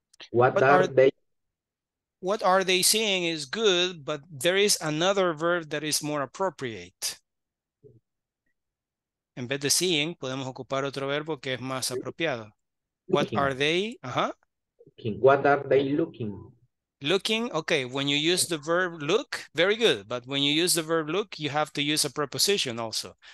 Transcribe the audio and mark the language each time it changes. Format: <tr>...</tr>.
<en>What are they seeing is good, but there is another verb that is more appropriate.</en> <es>En vez de seeing, podemos ocupar otro verbo que es más apropiado.</es> <en>What looking. Are they? What are they looking? Looking, okay, when you use the verb look, very good. But when you use the verb look, you have to use a preposition also.</en>